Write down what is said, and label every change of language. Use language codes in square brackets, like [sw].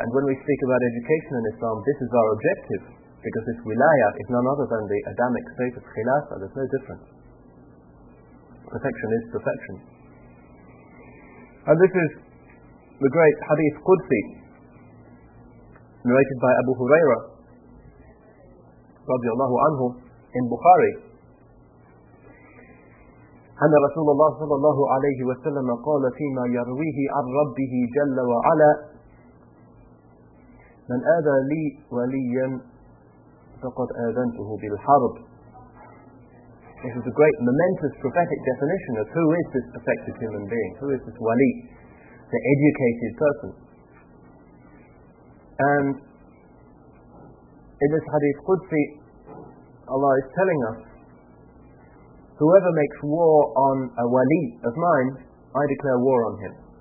[en] And when we speak about education in Islam, this is our objective, because this wilaya is none other than the Adamic state of khilafah. There's no difference. Perfection is perfection. And this is the great hadith Qudsi, narrated by Abu Huraira radiallahu anhu in Bukhari. [ar] أن رسول الله صلى الله عليه وسلم قال فيما يرويه عن ربه جل وعلا من آذى لي وليا فقد آذنته بالحرب. [en] This is a great momentous prophetic definition of who is this perfected human being, who is this wali, the educated person. And in this hadith Qudsi, Allah is telling us, whoever makes war on a wali of mine, I declare war on him.